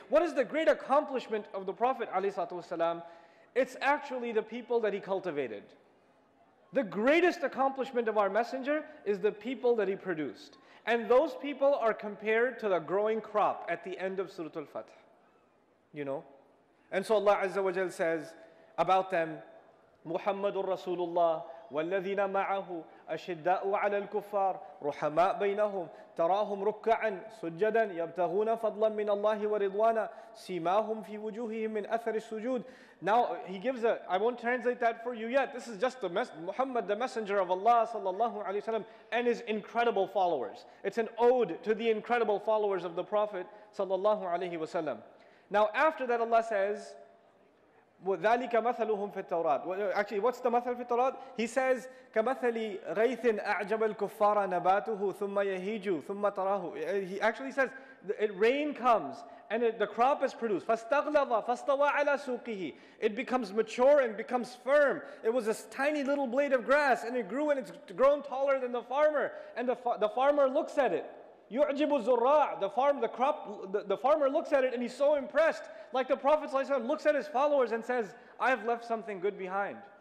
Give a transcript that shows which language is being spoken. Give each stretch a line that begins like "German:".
English: What is the great accomplishment of the Prophet ﷺ? It's actually the people that he cultivated. The greatest accomplishment of our messenger is the people that he produced. And those people are compared to the growing crop at the end of Surah Al-Fath. You know? And so Allah Azza wa Jal says about them, Muhammadur Rasulullah,
Arabic: والذين معه أشداء على الكفار رحماء بينهم تراهم ركعا سجدا يبتغون فضلا من الله ورضوانا سيماهم في وجوههم من أثر السجود.
English: Now he gives a, I won't translate that for you yet. This is just the Muhammad, the messenger of Allah sallallahu alayhi wa sallam, and his incredible followers. It's an ode to the incredible followers of the Prophet sallallahu alayhi wa sallam. Now after that Allah says,
Arabic: وذلك مثلهم في التوراة.
English: Actually, what's the
Arabic: مثل في التوراة?
English: He says,
Arabic: كمثل غيث أعجب الكفار نباته ثم يهيج ثم تراه.
English: He actually says, it rain comes and the crop is produced.
Arabic: فاستغلظ فاستوى على سوقه.
English: It becomes mature and becomes firm. It was a tiny little blade of grass and it grew and it's grown taller than the farmer. And the farmer looks at it.
Arabic: يعجب الزراع.
English: The farmer looks at it and he's so impressed. Like the Prophet ﷺ looks at his followers and says, I've left something good behind.